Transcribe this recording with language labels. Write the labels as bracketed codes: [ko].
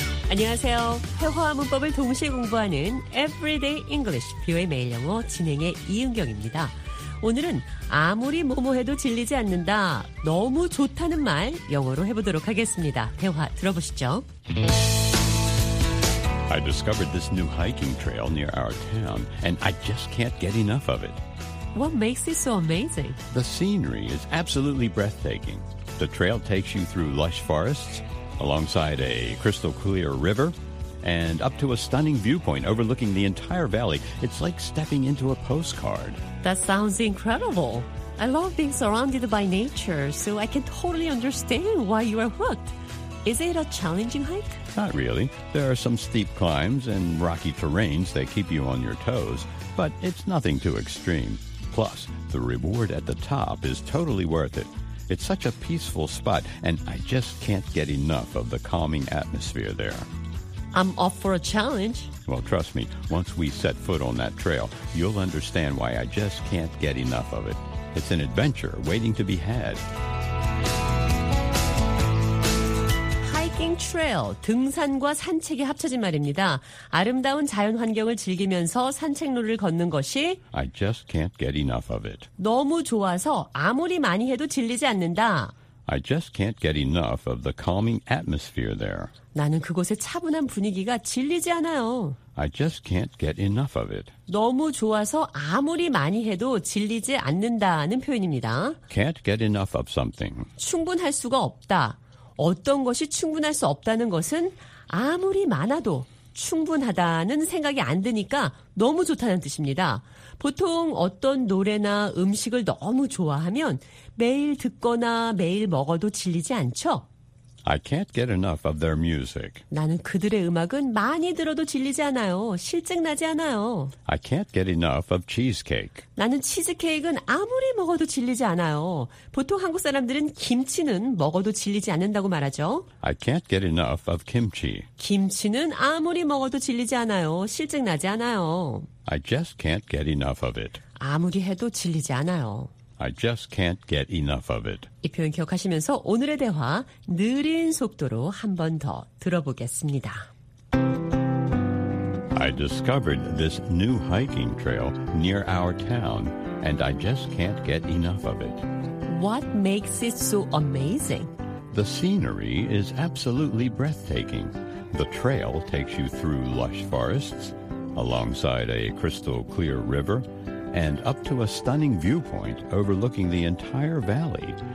[ko] 안녕하세요. 회화 문법을 동시에 공부하는 Everyday English, 비오의 매일 영어 진행의 이은경입니다. 오늘은 아무리 뭐뭐해도 질리지 않는다, 너무 좋다는 말 영어로 해보도록 하겠습니다. 대화 들어보시죠. [en] I discovered this new hiking trail near our town, and I just can't get enough of it. What makes it so amazing? The scenery is absolutely breathtaking. The trail takes you through lush forests, alongside a crystal clear river, and up to a stunning viewpoint overlooking the entire valley. It's like stepping into a postcard. That sounds incredible. I love being surrounded by nature, so I can totally understand why you are hooked. Is it a challenging hike? Not really. There are some steep climbs and rocky terrains that keep you on your toes, but it's nothing too extreme. Plus, the reward at the top is totally worth it. It's such a peaceful spot, and I just can't get enough of the calming atmosphere there. I'm up for a challenge. Well, trust me, once we set foot on that trail, you'll understand why I just can't get enough of it. It's an adventure waiting to be had. [ko] 트레일, 등산과 산책이 합쳐진 말입니다. 아름다운 자연 환경을 즐기면서 산책로를 걷는 것이 [en] I just can't get enough of it. [ko] 너무 좋아서 아무리 많이 해도 질리지 않는다. [en] I just can't get enough of the calming atmosphere there. [ko] 나는 그곳의 차분한 분위기가 질리지 않아요. [en] I just can't get enough of it. [ko] 너무 좋아서 아무리 많이 해도 질리지 않는다는 표현입니다. [en] Can't get enough of something. [ko] 충분할 수가 없다. 어떤 것이 충분할 수 없다는 것은 아무리 많아도 충분하다는 생각이 안 드니까 너무 좋다는 뜻입니다. 보통 어떤 노래나 음식을 너무 좋아하면 매일 듣거나 매일 먹어도 질리지 않죠? [en] I can't get enough of their music. [ko] 나는 그들의 음악은 많이 들어도 질리지 않아요. 실증나지 않아요. [en] I can't get enough of cheesecake. [ko] 나는 치즈케이크는 아무리 먹어도 질리지 않아요. 보통 한국 사람들은 김치는 먹어도 질리지 않는다고 말하죠. [en] I can't get enough of kimchi. [ko] 김치는 아무리 먹어도 질리지 않아요. 실증나지 않아요. [en] I just can't get enough of it. [ko] 아무리 해도 질리지 않아요. [en] I just can't get enough of it. [ko] 이 표현 기억하시면서 오늘의 대화 느린 속도로 한 번 더 들어보겠습니다. [en] I discovered this new hiking trail near our town, and I just can't get enough of it. What makes it so amazing? The scenery is absolutely breathtaking. The trail takes you through lush forests, alongside a crystal clear river, and up to a stunning viewpoint overlooking the entire valley.